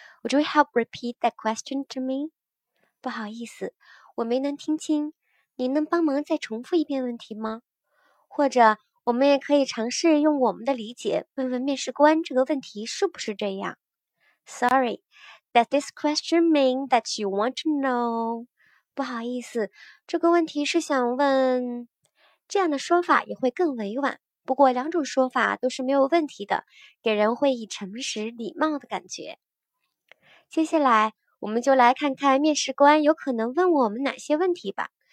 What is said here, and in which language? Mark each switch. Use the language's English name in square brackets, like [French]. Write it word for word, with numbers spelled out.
[English] Would you help repeat that question to me?” [Chinese] 不好意思，我没能听清，您能帮忙再重复一遍问题吗？或者，我们也可以尝试用我们的理解问问面试官这个问题是不是这样。 [English] Sorry, does this question mean that you want to know? [Chinese] 不好意思，这个问题是想问。这样的说法也会更委婉，不过两种说法都是没有问题的，给人会以诚实礼貌的感觉。接下来，我们就来看看面试官有可能问我们哪些问题吧。